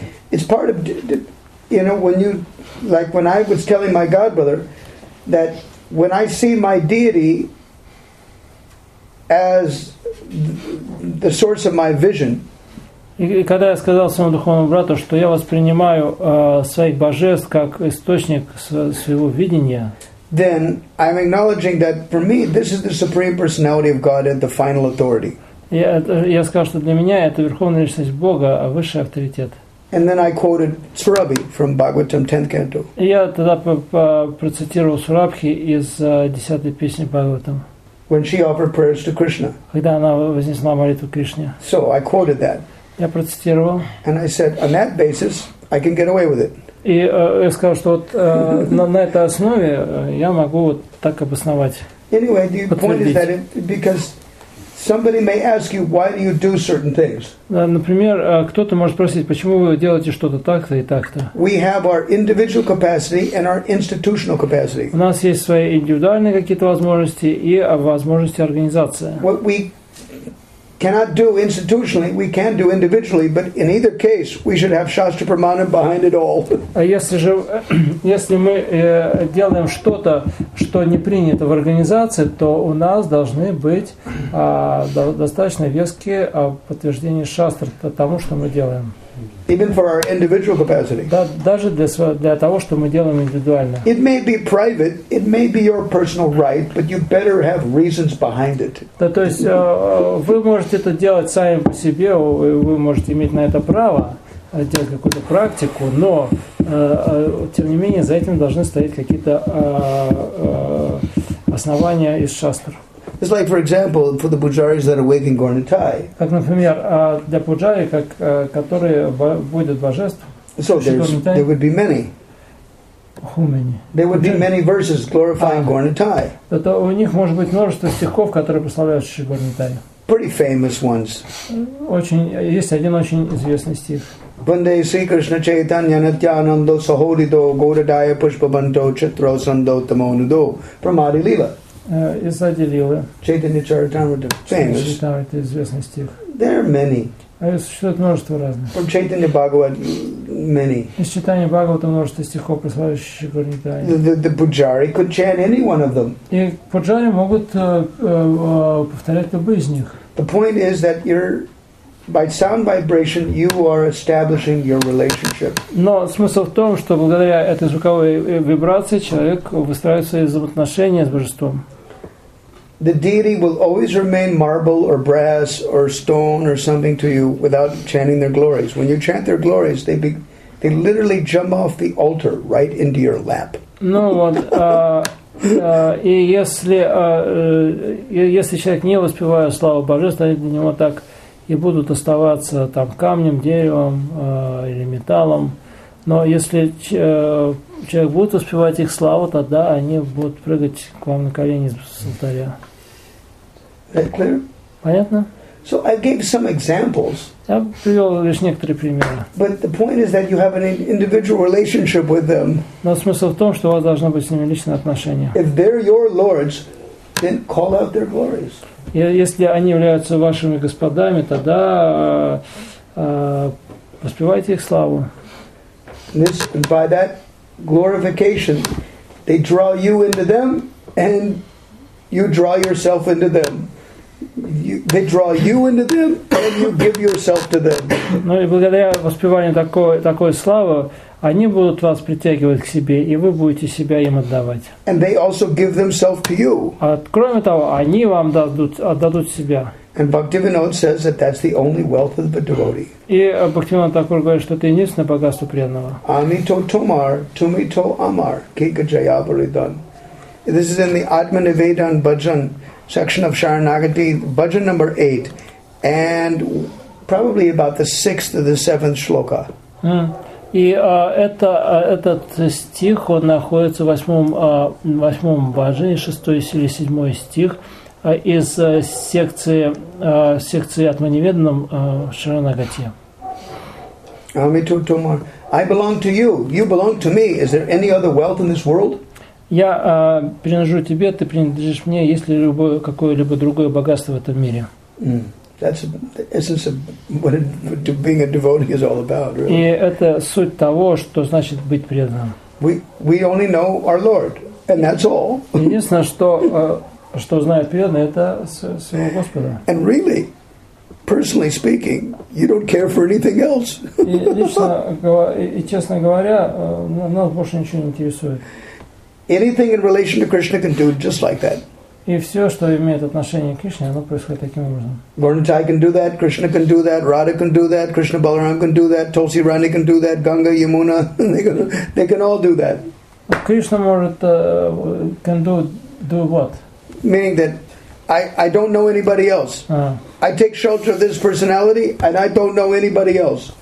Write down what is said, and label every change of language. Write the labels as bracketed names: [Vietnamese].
[English] It's part of, you know, when you, like when I was telling my godbrother that when I see my deity as the source of my vision. [Russian] И когда я сказал своему духовному брату, что я воспринимаю своих божеств как источник своего видения, [English] then I'm acknowledging that for me this is the supreme personality of God and the final authority. [Russian] Я сказал, что для меня это верховная личность Бога, а высший авторитет. [English] And then I quoted Surabhi from Bhagavatam 10th canto. [Russian] Я тогда процитировал Сурабхи из 10-й песни Бхагаватам. [English] When she offered prayers to Krishna. [Russian] Когда она вознесла молитву Кришне. [English] So I quoted that. [Russian] Я процитировал. [English] And I said, on that basis, I can get away with it. [Russian] И я сказал, что вот на этой основе я могу вот так обосновать. [English] Anyway, the point is that because somebody may ask you, why do you do certain things? [Russian] Например, кто-то может спросить, почему вы делаете что-то так-то и так-то? [English] We have our individual capacity and our institutional capacity. [Russian] У нас есть свои индивидуальные какие-то возможности и возможности организации. [English] What we cannot do institutionally, we can do individually, but in either case, we should have Shastra Pramana behind it all. [Russian] Если мы делаем что-то, что не принято в организации, то у нас должны быть достаточно веские подтверждения Шастр тому, что мы делаем. [English] Even for our individual capacity. [Russian] Даже для того, что мы делаем индивидуально. [English] It may be private, it may be your personal right, but you better have reasons behind it. [Russian] Да, то есть вы можете это делать сами по себе, вы можете иметь на это право делать какую-то практику, но тем не менее за этим должны стоять какие-то основания из шастр. [English] It's like, for example, for the pujaris that are waving Gornitai. [Russian] Как, например, для пуджари, которые вводят божество. [English] So there would be many. Who many? There would be many verses glorifying Gornitai. [Russian] Это у них может быть множество стихов, которые прославляют Шри Горнитай. [English] Pretty famous ones. [Russian] Очень есть один очень известный стих. [Sanskrit] Банде Шри Кришна Чайтанья Нитьянандо Сахорито Горадая Пушпабанто Читро Сандо Тамонудо Прамади Лила. [Russian] Из отделила. Чайтанья Чаритамрита. Это известный стих. [English] There are many. [Russian] Существует множество разных. [English] From Chaitanya Bhagavat, many. [Russian] Из Чайтанья Бхагавата множество стихов, прославляющих Шри Горнитай. [English] The Pujari could chant any one of them. [Russian] И пуджари могут повторять любые из них. [English] The point is that you're by sound vibration you are establishing your relationship. [Russian] Но смысл в том, что благодаря этой звуковой вибрации человек выстраивает свои взаимоотношения с божеством. [English] The deity will always remain marble or brass or stone or something to you without chanting their glories. When you chant their glories, they literally jump off the altar right into your lap. [Russian] Ну вот, и если человек не воспевает славу божества, они для него так и будут оставаться там камнем, деревом или металлом. Но если человек будет успевать их славу, тогда они будут прыгать к вам на колени с алтаря. Понятно? [English] So I gave some examples. [Russian] Я привел лишь некоторые примеры. [English] But the point is that you have an individual relationship with them. [Russian] Но смысл в том, что у вас должно быть с ними личное отношение. [English] If they're your lords, then call out their glories. [Russian] Если они являются вашими господами, тогда воспевайте их славу. [English] This, by that glorification, they draw you into them, and you draw yourself into them. They draw you into them, and you give yourself to them. [Russian] Ну и благодаря воспеванию такой славы, они будут вас притягивать к себе, и вы будете себя им отдавать. [English] And they also give themselves to you. [Russian] А кроме того, они вам отдадут себя. [English] And Bhaktivinoda says that that's the only wealth of the devotee. [Russian] И Бхактивинода Такур говорит, что это единственное богатство преданного. [Bangla] Amito tumar, tumito amar, kika jaya varidan. [English] This is in the Atmanivedan Bhajan section of Sharanagati, Bhajan number 8, and probably about the 6th or the 7th shloka. [Russian] И этот стих, он находится в восьмом бажане, шестой или седьмой стих из секции Атманиведанам Шаранагати. [Bangla] Amito tumar, [English] I belong to you. You belong to me. Is there any other wealth in this world? [Russian] Я принадлежу тебе, ты принадлежишь мне, есть ли какое-либо другое богатство в этом мире? [English] That's the essence of what being a devotee is all about, really. [Russian] И это суть того, что значит быть преданным. [English] We only know our Lord, and that's all. [Russian] Единственное, что знает преданный, это своего Господа. [English] And really, personally speaking, you don't care for anything else. [Russian] И честно говоря, нас больше ничего не интересует. [English] Anything in relation to Krishna can do just like that. [Russian] И все, что имеет отношение к Кришне, оно происходит таким образом. [English] Varnatai can do that, Krishna can do that, Radha can do that, Krishna Balaram can do that, Tulsi Rani can do that, Ganga, Yamuna, they can all do that. Krishna can do what? Meaning that I don't know anybody else. I take shelter of this personality and I don't know anybody else.